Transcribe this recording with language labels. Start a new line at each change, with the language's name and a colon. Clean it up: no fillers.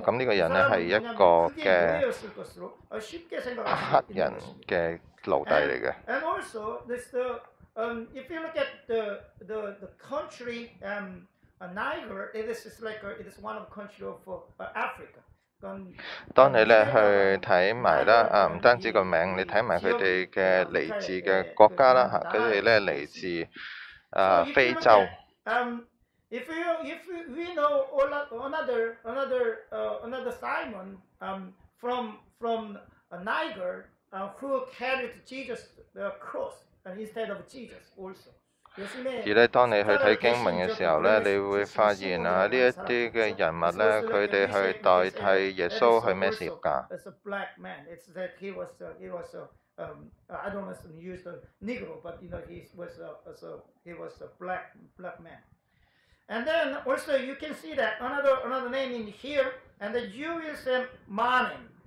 Cantonese: 咁呢個人咧係一個嘅黑人嘅奴隸嚟嘅。
English: And also, this the if you look at the country Niger, it is one of country of Africa.
Cantonese: 當你咧去睇埋啦啊，唔單止個名，你睇埋佢哋嘅嚟自嘅國家啦嚇，佢哋咧嚟自非洲。
English: If we know another Simon from Niger who carried Jesus the cross instead of Jesus also.
Cantonese: 而咧，當你去睇經文嘅時候咧，你會發現啊，呢一啲嘅人物咧，佢哋去代替耶穌去孭十字架。
English: It's a black man. It's that he was I don't want to use the Negro, but you know, he was a black man. And then also you can see that another name in here, and the Jew will say Manim.